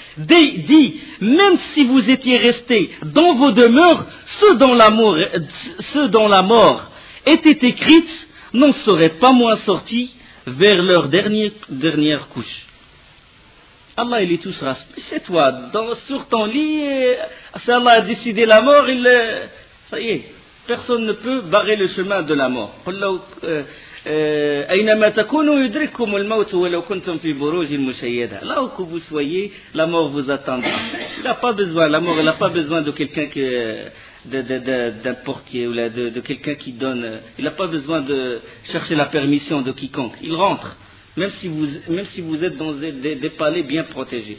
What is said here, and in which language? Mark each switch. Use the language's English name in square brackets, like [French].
[French] Dit, même si vous étiez restés dans vos demeures, ceux dont la mort était écrite n'en seraient pas moins sortis vers leur dernière couche. Allah, il est tout rassemblé chez toi, sur ton lit, si Allah a décidé la mort, il est... ça y est, personne ne peut barrer le chemin de la mort. [Arabic] أينما تكونوا يدرككم الموت ولو كنتم في بروج مشيدة. [French] Là où que vous soyez, la mort vous attendra. Il n'a pas besoin, la mort, il n'a pas besoin de quelqu'un qui, d'un portier ou de quelqu'un qui donne. Il n'a pas besoin de chercher la permission de quiconque. Il rentre, même si vous êtes dans des palais bien protégés.